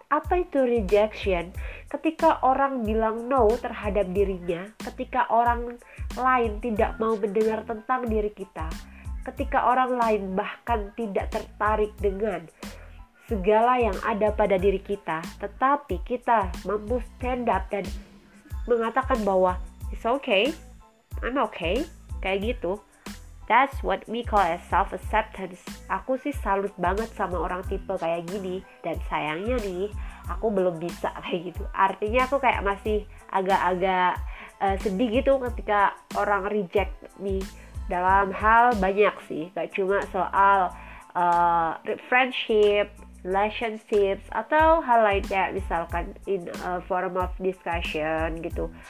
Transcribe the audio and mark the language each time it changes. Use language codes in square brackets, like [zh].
[id] Apa itu rejection? Ketika orang bilang no terhadap dirinya, ketika orang lain tidak mau mendengar tentang diri kita, ketika orang lain bahkan tidak tertarik dengan segala yang ada pada diri kita, tetapi kita mampu [en] stand up [id] dan mengatakan bahwa [en] it's okay, I'm okay, [id] kayak gitu. [en] That's what we call as self-acceptance. [id] Aku sih salut banget sama orang tipe kayak gini, dan sayangnya nih, aku belum bisa kayak gitu. Artinya aku kayak masih agak-agak sedih gitu ketika orang [en] reject me. [id] Dalam hal banyak sih, gak cuma soal friendship, relationships, atau hal lain kayak misalkan [en] in a form of discussion [id] gitu.